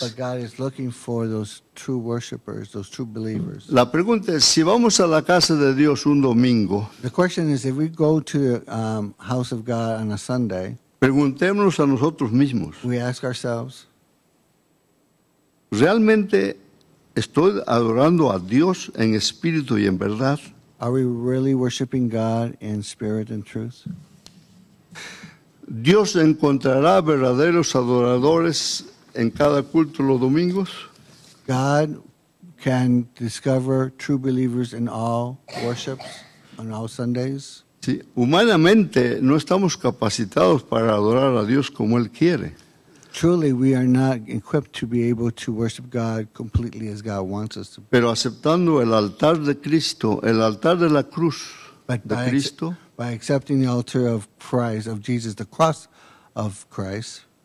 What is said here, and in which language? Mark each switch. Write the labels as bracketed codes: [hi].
[en] But God is looking for those true worshipers, those true believers. [es] La pregunta es, si vamos a la casa de Dios un domingo, [en] the question is, if we go to the house of God on a Sunday, [es] preguntémonos a nosotros mismos, [en] we ask ourselves, [es] ¿realmente estoy adorando a Dios en espíritu y en verdad? [en] Are we really worshiping God in spirit and truth? [es] ¿Dios encontrará verdaderos adoradores en cada culto los domingos? [en] God can discover true believers in all worships on all Sundays. [es] Sí, humanamente no estamos capacitados para adorar a Dios como Él quiere. [en] Truly, we are not equipped to be able to worship God completely as God wants us to. [es] Pero aceptando el altar de Cristo, el altar de la cruz de Cristo, [en] by accepting the altar of Christ, of Jesus, the cross of Christ,